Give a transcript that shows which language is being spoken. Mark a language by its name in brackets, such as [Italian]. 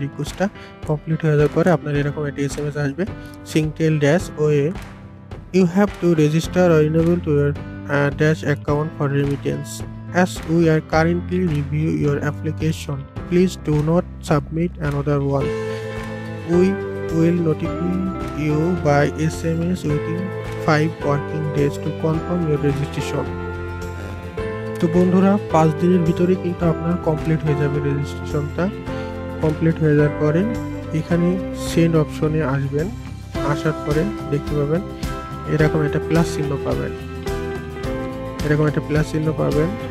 [Bangla] রিকোয়েস্টটা complete হয়ে যাওয়ার পরে আপনার এরকম একটা এসএমএস আসবে, [English] Singtel dash way you have to register or enable two year dash account for remittance as we are currently review your application, please do not submit another one. We will notify you by SMS within 5 working days to confirm your registration. [Bangla] তো বন্ধুরা 5 দিনের ভিতরে কিন্তু আপনার complete হয়ে যাবে রেজিস্ট্রেশনটা। Complete হয়ে যাওয়ার পরে এখানে সেন্ড অপশনে আসবেন, আসার পরে দেখতে পাবেন এরকম একটা প্লাস চিহ্ন পাবেন, এরকম একটা প্লাস চিহ্ন পাবেন।